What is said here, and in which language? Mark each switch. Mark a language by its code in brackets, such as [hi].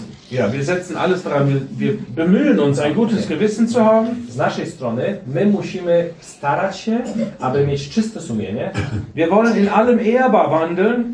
[de] Ja, wir setzen alles daran, wir bemühen uns, ein gutes Gewissen zu haben. [pl] Z naszej strony my musimy starać się, aby mieć czyste sumienie. [de] Wir wollen in allem ehrbar wandeln.